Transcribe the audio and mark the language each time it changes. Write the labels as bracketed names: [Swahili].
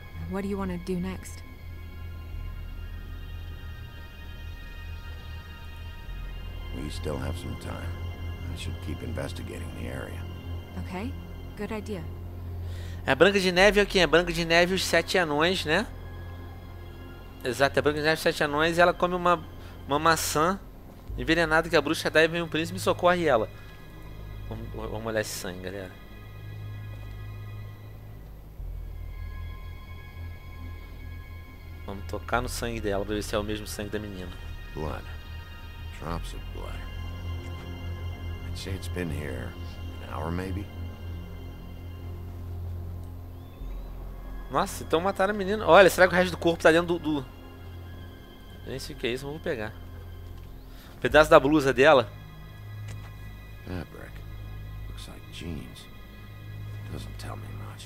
[English] What do you want to do next? We still have some time. I should keep investigating the area. Okay. Good idea. [Portuguese] É Branca de Neve, aqui é Branca de Neve os Sete Anões, né? Exato, a Branca de Neve Sete Anões e ela come uma maçã envenenada que a bruxa dá e vem um príncipe e socorre ela. Vamos olhar esse sangue, galera. Vamos tocar no sangue dela pra ver se é o mesmo sangue da menina. [English] Blood. Drops of blood. I'd say it's been here an hour maybe. [Portuguese] Nossa, então mataram a menina. Olha, será que o resto do corpo tá dentro do... Eu nem sei o que é isso, mas vou pegar. Um pedaço da blusa dela. [English] Fabric. Looks like jeans. Doesn't tell me much.